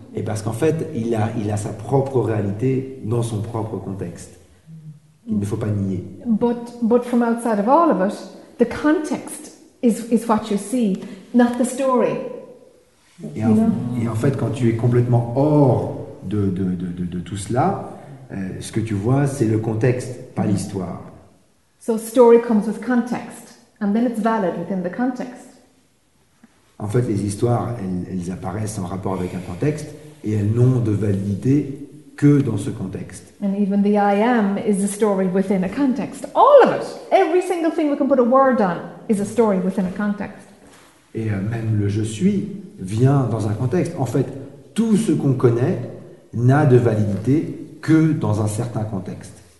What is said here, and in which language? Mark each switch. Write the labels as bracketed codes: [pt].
[fr] Et parce qu'en fait, il a sa propre réalité dans son propre contexte. Il ne faut pas nier. [en] But from outside of all of it, the context is what you see, not the story. [fr] Et en fait, quand tu es complètement hors de tout cela, ce que tu vois, c'est le contexte, pas l'histoire. [en] So story comes with context, and then it's valid within the context. [fr] En fait, les histoires, elles apparaissent en rapport avec un contexte, et elles n'ont de validité que dans ce contexte. [en] And even the I am is a story within a context. All of it, every single thing we can put a word on, is a story within a context. [fr] Et même le je suis vient dans un contexte. En fait, tout ce qu'on connaît n'a de validité que dans un certain contexte.